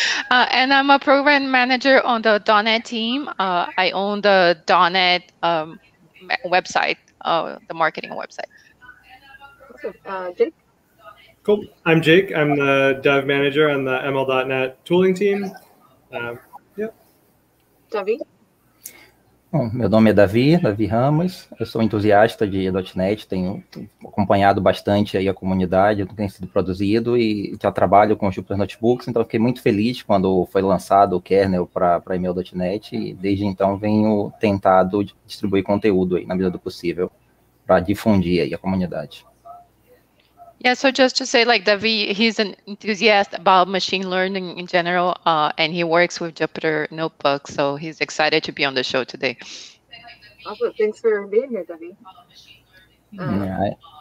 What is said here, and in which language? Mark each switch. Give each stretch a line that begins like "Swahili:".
English: and I'm a program manager on the .NET team. I own the .NET website, the marketing website. Awesome. Jake? Cool. I'm Jake. I'm the dev manager on the ML.NET tooling team. Davi?
Portuguese: Bom, meu nome é Davi Ramos, eu sou entusiasta de .NET, tenho acompanhado bastante aí a comunidade, o que tem sido produzido e já trabalho com o Jupyter Notebooks, então fiquei muito feliz quando foi lançado o kernel para ML.NET e desde então venho tentado distribuir conteúdo aí na medida do possível para difundir aí a comunidade.
English: Yeah, so just to say, like, Davi, he's an enthusiast about machine learning in general, and he works with Jupyter Notebooks, so he's excited to be on the show today. Awesome. Thanks for being here, Davi.